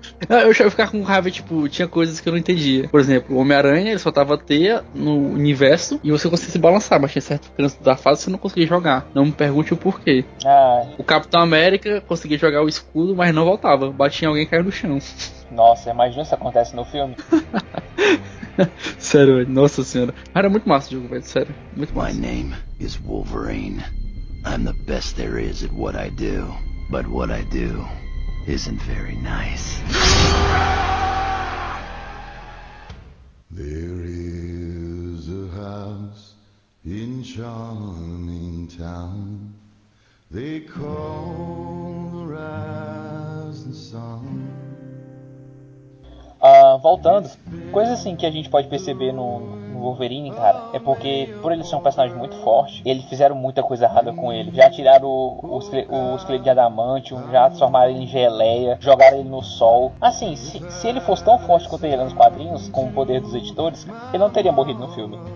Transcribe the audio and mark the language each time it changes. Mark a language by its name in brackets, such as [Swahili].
[Portuguese] Eu já ia ficar com raiva, tipo, tinha coisas que eu não entendia. Por exemplo, o Homem-Aranha, ele soltava teia no universo e você conseguia se balançar, mas tinha certo canto da fase você não conseguia jogar. Não me pergunte o porquê. Ah. O Capitão América conseguia jogar o escudo, mas não voltava. Batia em alguém e caiu no chão. Nossa, imagina se acontece no filme. Sério, velho. Nossa senhora. Era muito massa o jogo, velho. Sério. Muito massa. [English] My name is Wolverine. I'm the best there is at what I do. But what I do isn't very nice. There is a house in Charming Town. They call the rising sun. [Portuguese] Voltando, coisa assim que a gente pode perceber no com o Wolverine, cara, é porque, por ele ser um personagem muito forte, eles fizeram muita coisa errada com ele. Já tiraram o esqueleto de adamantium, já transformaram ele em geleia, jogaram ele no sol. Assim, se ele fosse tão forte quanto ele nos quadrinhos, com o poder dos editores, ele não teria morrido no filme.